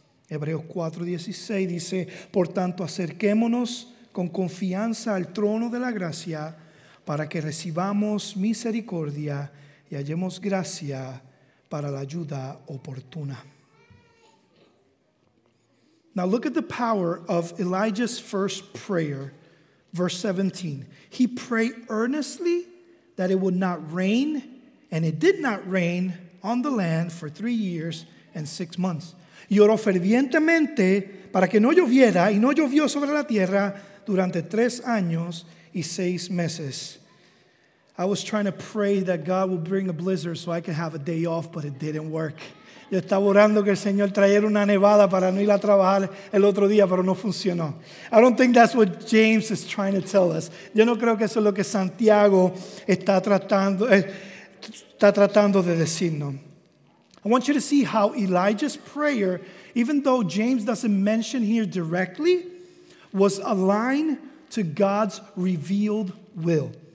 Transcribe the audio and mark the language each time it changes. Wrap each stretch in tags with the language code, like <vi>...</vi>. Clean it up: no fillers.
<es>Hebreos 4:16 dice, "Por tanto, acerquémonos con confianza al trono de la gracia, para que recibamos misericordia y hallemos gracia para la ayuda oportuna."</es> <en>Now look at the power of Elijah's first prayer, verse 17. He prayed earnestly that it would not rain, and it did not rain on the land for 3 years and 6 months.</en> <es>Y oró fervientemente para que no lloviera, y no llovió sobre la tierra durante 3 años y 6 meses.</es> <en>I was trying to pray that God would bring a blizzard so I could have a day off, but it didn't work.</en> <es>Yo estaba orando que el Señor trajera una nevada para no ir a trabajar el otro día, pero no funcionó.</es> <en>I don't think that's what James is trying to tell us.</en> <es>Yo no creo que eso es lo que Santiago está tratando de decirnos.</es> <en>I want you to see how Elijah's prayer, even though James doesn't mention here directly, was aligned to God's revealed will.</en>